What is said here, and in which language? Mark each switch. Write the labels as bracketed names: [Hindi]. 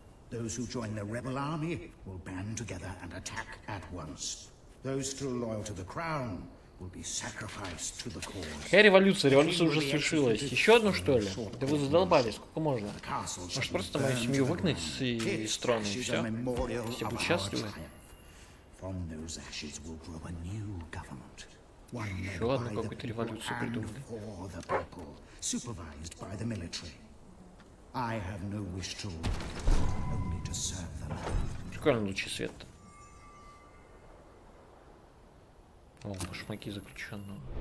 [English] Those who join the rebel army will band together and attack at once. Those still loyal to the crown will be sacrificed to the cause. [Russian] Какая революция? Революция уже свершилась. Еще одну, что ли? Да вы задолбали, сколько можно? Может, просто мою семью выгнать из трона, и все? Все будут счастливы. [English] From those ashes will grow a new government. [Russian] Еще одну какую-то революцию придумали. [English] I have no wish to rule, only to serve them. [Russian] Прикольно, лучи света. О, башмаки заключенного.